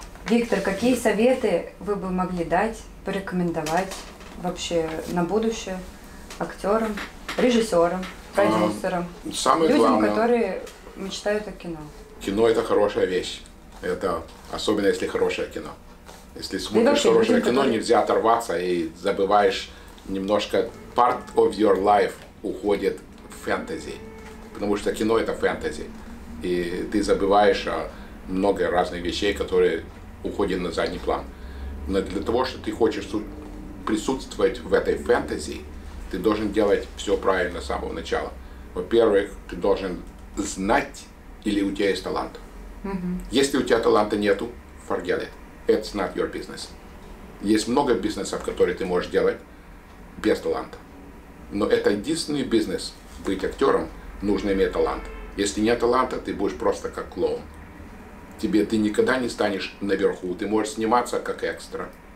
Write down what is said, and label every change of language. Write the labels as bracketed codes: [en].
[ru] Виктор, какие советы вы бы могли дать, порекомендовать вообще на будущее актерам, режиссерам, продюсерам, которые мечтают о кино? Кино – это хорошая вещь. Это особенно, если хорошее кино. Если смотришь хорошее кино, нельзя оторваться и забываешь немножко. [en] Part of your life [ru] уходит. Фэнтези, потому что кино это фэнтези, и ты забываешь о много разных вещей, которые уходят на задний план. Но для того, что ты хочешь присутствовать в этой фэнтези, ты должен делать все правильно с самого начала. Во-первых, ты должен знать, или у тебя есть талант. Mm-hmm. Если у тебя таланта нету, [en] forget it, it's not your business. [ru] Есть много бизнесов, которые ты можешь делать без таланта, но это единственный бизнес. Быть актером нужно иметь талант. Если нет таланта, ты будешь просто как клоун. Ты никогда не станешь наверху. Ты можешь сниматься как экстра.